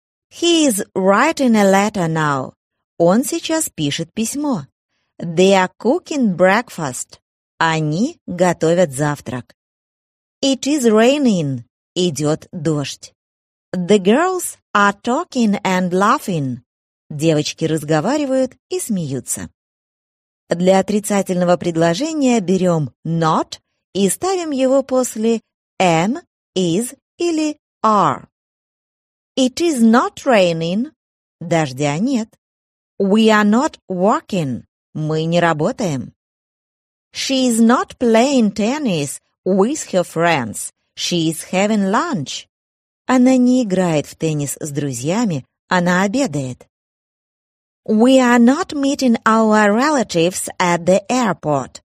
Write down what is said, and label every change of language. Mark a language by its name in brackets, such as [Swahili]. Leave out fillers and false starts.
[English] He is writing a letter now. [Russian] Он сейчас пишет письмо. [English] They are cooking breakfast. [Russian] Они готовят завтрак. [English] It is raining. [Russian] Идет дождь. [English] The girls are talking and laughing. [Russian] Девочки разговаривают и смеются. Для отрицательного предложения берем not и ставим его после am, is или are. [English] It is not raining. [Russian] Дождя нет. [English] We are not working. [Russian] Мы не работаем. [English] She is not playing tennis with her friends. She is having lunch. [Russian] Она не играет в теннис с друзьями, она обедает. [English] We are not meeting our relatives at the airport.